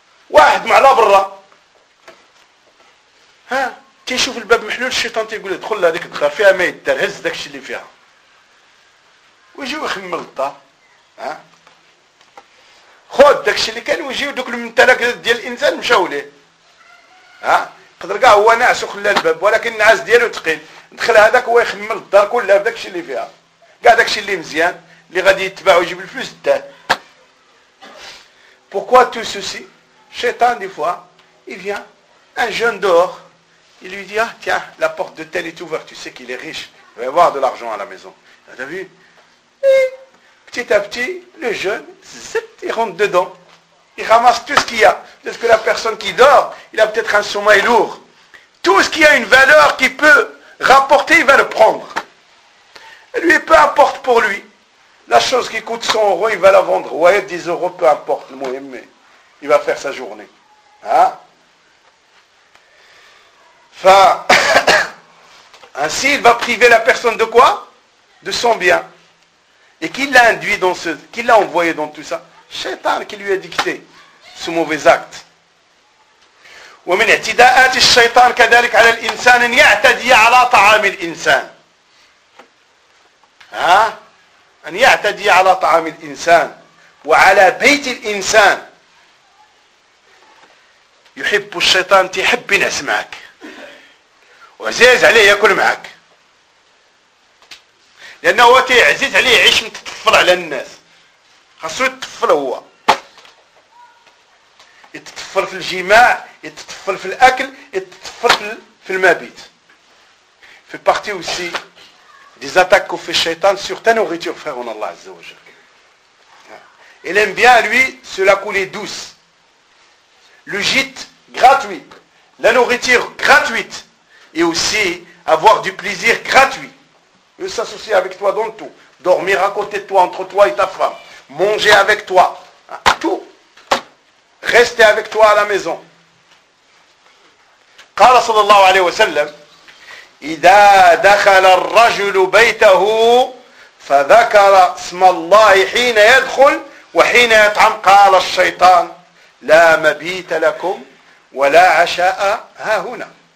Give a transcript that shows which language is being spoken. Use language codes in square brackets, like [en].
[ar] واحد مع لا برا ها تيشوف الباب محلول الشيطان تيقول له دخل لهذيك الدار فيها ما يدار هز داكشي اللي فيها ويجيو يخمم الدار ها خذ داكشي اللي كان ويجيو دوك الممتلك ديال الانسان مشاو ليه ها قدر كاع هو ناعس وخلى الباب ولكن النعاس ديالو ثقيل دخل هذاك هو يخمم الدار كلها بداكشي اللي فيها كاع داكشي اللي مزيان اللي غادي يتباع ويجيب الفلوس داه [fr] بوكوا تو سوسي الشيطان دي فوا اي فيان ان جون دور Il lui dit, ah tiens, la porte de tel est ouverte, tu sais qu'il est riche, il va y avoir de l'argent à la maison. T'as vu? Et petit à petit, le jeune, zip, il rentre dedans, il ramasse tout ce qu'il y a. Peut-être que la personne qui dort, il a peut-être un sommeil lourd. Tout ce qui a une valeur qui peut rapporter, il va le prendre. Et lui, peu importe pour lui, la chose qui coûte 100 euros, il va la vendre. Ouais, 10 euros, peu importe, le moyen, mais il va faire sa journée. Hein? Ainsi, il va priver la personne de quoi? De son bien. Et qui l'a induit dans ce... Qui l'a envoyé dans tout ça? Shaitan qui lui a dicté ce mauvais acte. [ar] وَمِنْ اَعْتِدَاءَاتِ الشَّيْطَانِ كَذَلِكَ عَلَى الْإِنسَانِ يَعْتَدِيَ عَلَى طَعَامِ الْإِنسَانِ ها؟ أن يَعْتَدِيَ عَلَى طَعَامِ الْإِنسَانِ وَعَلَى بَيْتِ الْإِنسَانِ يحب الشيطان تحب نسمعك وعزيز عليه ياكل معك لانه هو تيعزيز عليه يعيش متطفل على الناس خاصو يتطفل هو يتطفل في الجماع يتطفل في الاكل يتطفل في المبيت في بارتي [fr] aussi des attaques qu'on fait شيطان sur ta nourriture frère en Allah عز وجل il aime bien lui cela couler douce le gîte gratuit la nourriture gratuite Et aussi, avoir du plaisir gratuit. Il s'associer avec toi dans tout. Dormir à côté de toi, entre toi et ta femme. Manger avec toi. Tout. Rester avec toi à la maison. [ar] قال صلى الله عليه وسلم إذا دخل الرجل بيته فذكر اسم الله حين يدخل وحين يطعم قال الشيطان لا مبيت لكم ولا عشاء ها هنا.